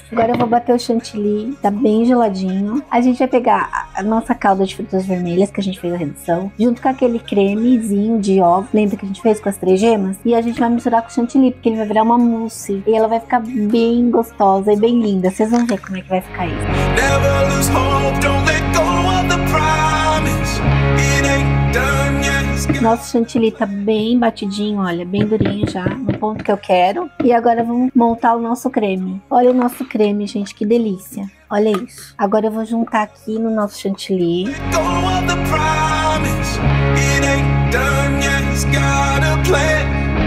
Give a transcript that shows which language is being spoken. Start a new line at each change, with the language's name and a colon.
Portuguese: Agora eu vou bater o chantilly, tá bem geladinho. A gente vai pegar a nossa calda de frutas vermelhas que a gente fez a redução, junto com aquele cremezinho de ovo. Lembra que a gente fez com as três gemas? E a gente vai misturar com chantilly, porque ele vai virar uma mousse. E ela vai ficar bem gostosa e bem linda. Vocês vão ver como é que vai ficar isso.
English: Never lose hope, don't let go of the promise. It ain't done yet.
Portuguese: Nosso chantilly tá bem batidinho, olha, bem durinho já, no ponto que eu quero. E agora vamos montar o nosso creme. Olha o nosso creme, gente, que delícia. Olha isso. Agora eu vou juntar aqui no nosso chantilly.
English: Let go of the promise. It ain't done yet. It's got a plan.